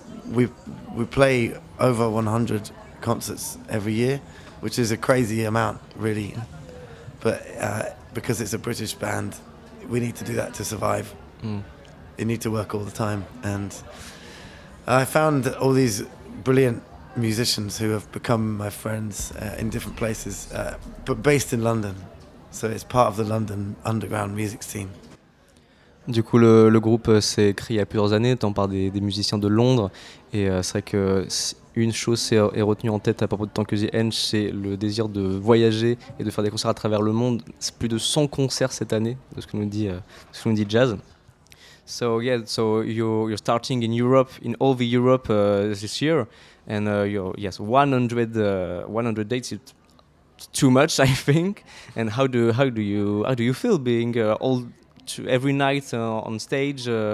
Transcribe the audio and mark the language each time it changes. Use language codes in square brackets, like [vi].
[en] We play over 100 concerts every year, which is a crazy amount, really, but because it's a British band, we need to do that to survive. Mm. You need to work all the time, and I found all these brilliant musicians who have become my friends in different places, but based in London, so it's part of the London underground music scene. [fr] Du coup, le groupe s'est créé il y a plusieurs années, tant par des musiciens de Londres. Et c'est vrai qu'une chose est retenue en tête à propos de Tankus the Edge, c'est le désir de voyager et de faire des concerts à travers le monde. C'est plus de 100 concerts cette année, de ce que nous dit, Jazz. [en] So yeah, so you're starting in Europe, in all the Europe this year, and yes, 100 dates. It's too much, I think. And how do you feel being all to every night on stage?